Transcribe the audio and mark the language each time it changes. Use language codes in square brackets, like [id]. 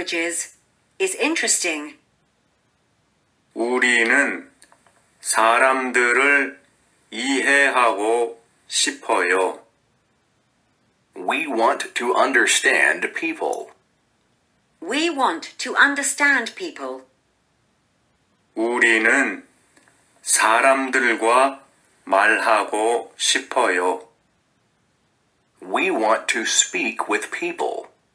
[en] Learning languages is interesting. [ko] 우리는 사람들을 이해하고 싶어요. [en] We want to understand people. [ko] 우리는 사람들과 말하고 싶어요. [en] We want to speak with people.